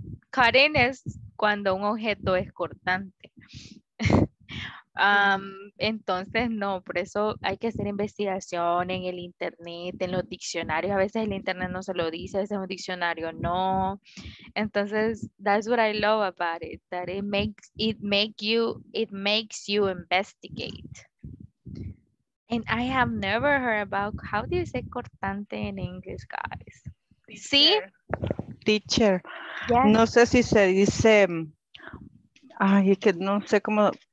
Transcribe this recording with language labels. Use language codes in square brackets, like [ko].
[es] Cutting es cuando un objeto es cortante. Entonces, no, por eso hay que hacer investigación en el internet, en los diccionarios. A veces el internet no se lo dice, a veces un diccionario no. [en] Entonces, that's what I love about it, that it makes you investigate. And I have never heard about, how do you say cortante in English, guys? [es] ¿Sí? [en] Teacher, yes. [es] No sé si se dice, ay, que no sé cómo...